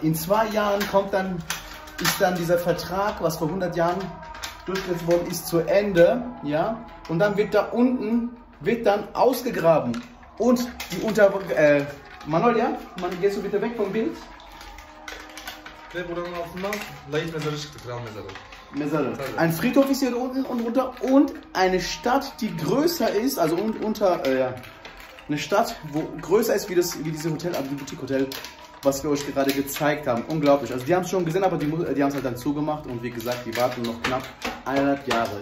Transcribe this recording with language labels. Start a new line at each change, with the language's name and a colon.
German: In zwei Jahren kommt dann, ist dann dieser Vertrag, was vor 100 Jahren durchgesetzt worden ist, zu Ende, ja? Und dann wird da unten, wird dann ausgegraben. Und die Unter... Manolya, man, gehst du bitte weg vom Bild?
Turkish: Ve buranın altından layık mezarı çıktı, kral mezarı. Mezarı.
German: Ein Friedhof ist hier unten und runter und eine Stadt, die größer ist, also unter, eine Stadt, wo größer ist, wie dieses Hotel, also die Boutique-Hotel, was wir euch gerade gezeigt haben. Unglaublich. Also die haben es schon gesehen, aber die haben es halt dann zugemacht und wie gesagt, die warten noch knapp 1,5 Jahre.